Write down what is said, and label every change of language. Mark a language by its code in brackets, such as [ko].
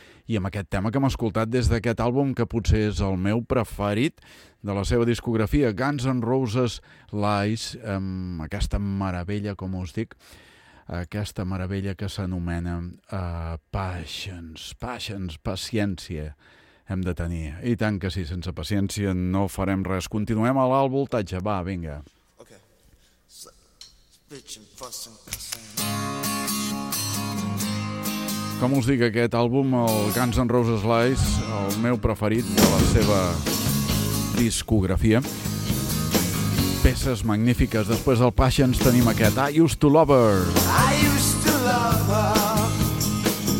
[ca] I amb aquest tema que hem escoltat des d'aquest àlbum, que potser és el meu preferit de la seva discografia, Guns N' Roses Lies, amb aquesta meravella, com us dic, aquesta meravella que s'anomena Passions, paciència hem de tenir. I tant que sí, sense paciència no farem res. Continuem a l'alt voltatge. Va, vinga. Okay. [en] Bitch and fuss and cussing. [ca] Com us dic, aquest àlbum, el Guns N' Roses Lies, el meu preferit de la seva discografia. Peces magnífiques. Després del Passions tenim aquest I Used to Love Her. [en] I used to love her.